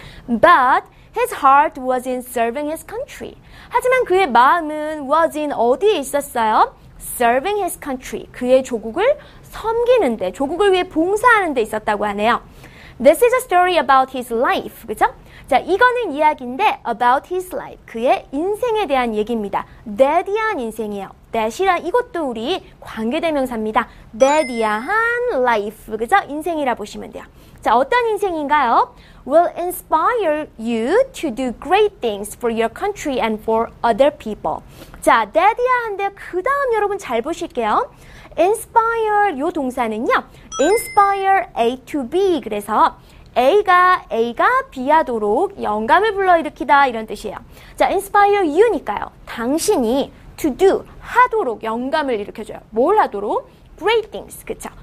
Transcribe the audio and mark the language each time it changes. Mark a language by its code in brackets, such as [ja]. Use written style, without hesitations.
[en] But his heart was in serving his country. [ko] 하지만 그의 마음은 was in 어디에 있었어요? [en] Serving his country. [ko] 그의 조국을 섬기는 데, 조국을 위해 봉사하는 데 있었다고 하네요. [en] This is a story about his life. [ko] 그죠? 자, 이거는 이야기인데 [en] about his life. [ko] 그의 인생에 대한 얘기입니다. that이란 인생이에요. that이란 이것도 우리 관계대명사입니다. that이란 life. 그죠? 인생이라 보시면 돼요. 자, 어떤 인생인가요? [en] Will inspire you to do great things for your country and for other people. [ko] 자, that이야 한데 그 다음 여러분 잘 보실게요. inspire 요 동사는요. inspire A to B. 그래서 A가 B하도록 영감을 불러일으키다 이런 뜻이에요. 자, inspire you니까요. 당신이 to do 하도록 영감을 일으켜줘요. 뭘 하도록? Great things, 그쵸?